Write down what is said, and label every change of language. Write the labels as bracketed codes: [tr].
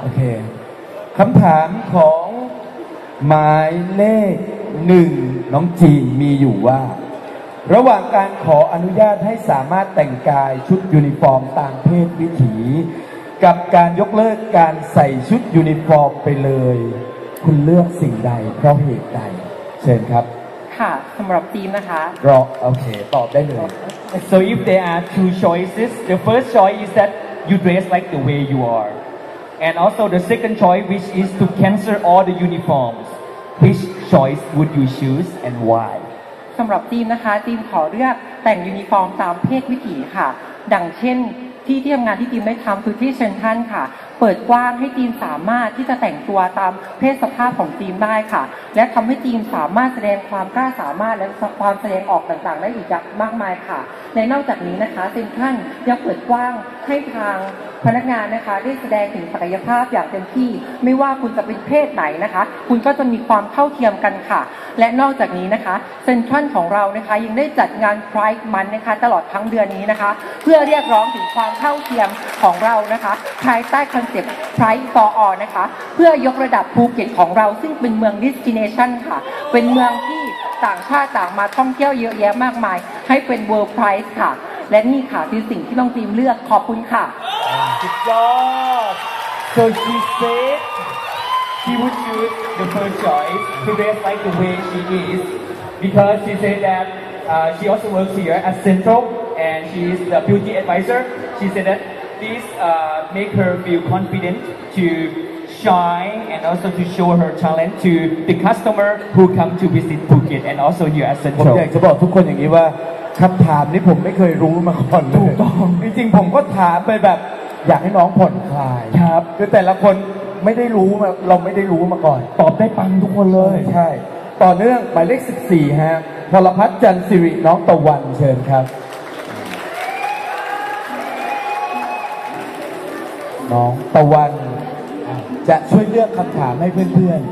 [th] โอเคคำถามของหมายเลข1 น้องจีนมีอยู่ว่าระหว่างการขออนุญาตให้สามารถแต่งกายชุดยูนิฟอร์มตามเพศวิถีกับการยกเลิกการใส่ชุดยูนิฟอร์มไปเลยคุณเลือกสิ่งใดเพราะเหตุใดเชิญครับ ค่ะสำหรับทีมนะคะ รอโอเคตอบได้เลย [en] So if there are two choices the first choice is that you dress like the way you areAnd also the second choice, which is to cancel all the uniforms. Which choice would you choose and why? [th] สำหรับทีมนะคะทีมขอเลือกแต่งยูนิฟอร์มตามเพศวิถีค่ะดังเช่นที่ทำงานที่ทีมได้ทำคือที่เซ็นทรัลค่ะเปิดกว้างให้ทีมสามารถที่จะแต่งตัวตามเพศสภาพของทีมได้ค่ะและทำให้ทีมสามารถแสดงความกล้าสามารถและความแสดงออกต่างๆได้อีกมากมายค่ะในนอกจากนี้นะคะเซ็นทรัลยังเปิดกว้างให้ทาง พนักงานนะคะได้แสดงถึงศักยภาพอย่างเต็มที่ไม่ว่าคุณจะเป็นเพศไหนนะคะคุณก็จะมีความเท่าเทียมกันค่ะและนอกจากนี้นะคะเซ็นทรัลของเรานะคะยังได้จัดงาน Pride Month นะคะตลอดทั้งเดือนนี้นะคะเพื่อเรียกร้องถึงความเท่าเทียมของเรานะคะภายใต้คอนเซ็ปต์ Pride for All นะคะเพื่อยกระดับภูเก็ตของเราซึ่งเป็นเมือง Destination ค่ะเป็นเมืองที่ต่างชาติต่างมาท่องเที่ยวเยอะแยะมากมายให้เป็น World Pride ค่ะและนี่ค่ะคือสิ่งที่น้องทีมเลือกขอบคุณค่ะ สุดยอด [en] So she said she would choose the first choice to dress like the way she is because she said that she also works here at Central and she is the beauty advisor. She said that this make her feel confident to shine and also to show her talent to the customer who come to visit Phuket and also here at Central. [th] ผมอยากจะบอกทุกคนอย่างนี้ว่าคำถามนี้ผมไม่เคยรู้มาก่อนเลย ถูกต้อง จริงๆผมก็ถามไปแบบอยากให้น้องผ่อนคลาย ครับ คือแต่ละคนไม่ได้รู้มาเราไม่ได้รู้มาก่อน ตอบได้ปังทุกคนเลย ใช่ต่อเนื่องหมายเลข14ฮะพลพัฒน์จันทร์สิริน้องตะวันเชิญครับน้องตะวันจะช่วยเลือกคำถามให้เพื่อน